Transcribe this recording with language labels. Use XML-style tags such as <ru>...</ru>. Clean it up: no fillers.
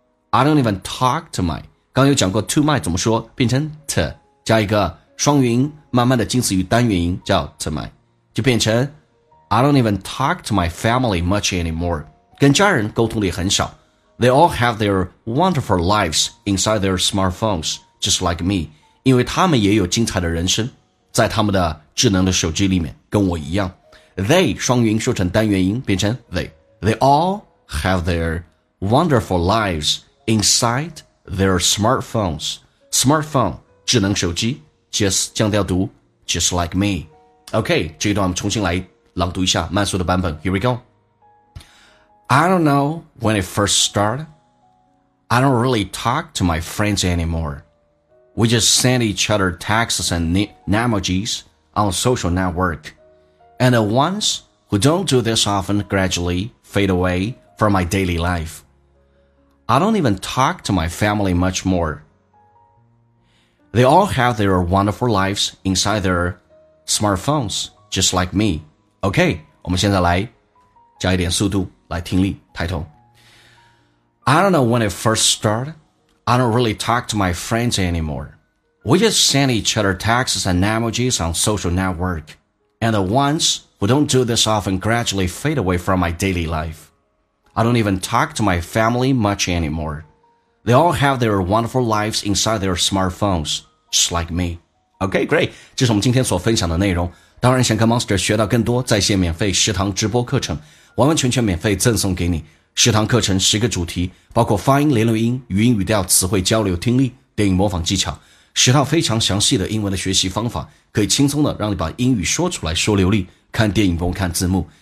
<en>I don't even talk to my。</en> <zh>刚有讲过</zh> <en>to my</en> <zh>怎么说，变成 to 加一个双元音，慢慢的近似于单元音，叫 to my， 就变成</zh> <en>I don't even talk to my family much anymore。</en> <zh>跟家人沟通的也很少。</zh> <en>They all have their wonderful lives inside their smartphones, just like me.</en> <zh>因为他们也有精彩的人生在他们的智能的手机里面，跟我一样。 They 双元音说成单元音，变成 they.</zh> <en>They all have their wonderful lives inside their smartphones. Smartphone 智能手机 ，just</en> <zh>降调读</zh> <en>，just like me.</en> <zh>Okay, 这一段我们重新来朗读一下慢速的版本。</zh> <en>Here we go. I don't know when it first started. I don't really talk to my friends anymore. We just send each other texts and emojis on social network. And the ones who don't do this often gradually fade away from my daily life. I don't even talk to my family much more. They all have their wonderful lives inside their smartphones, just like me.</en> <zh>Okay, 我们现在来加一点速度。来听力抬头。</zh> <en>I don't know when it first started. I don't really talk to my friends anymore. We just send each other texts and emojis on social network. And the ones who don't do this often gradually fade away from my daily life. I don't even talk to my family much anymore. They all have their wonderful lives inside their smartphones, just like me. Okay, great.</en> <zh>这是我们今天所分享的内容。当然想跟 Monster 学到更多在线免费食堂直播课程。完完全全免费赠送给你食堂课程十个主题，包括发音、连读音、语音语调、词汇交流、听力、电影模仿技巧，十套非常详细的英文的学习方法，可以轻松的让你把英语说出来说流利，看电影不用看字幕。</zh>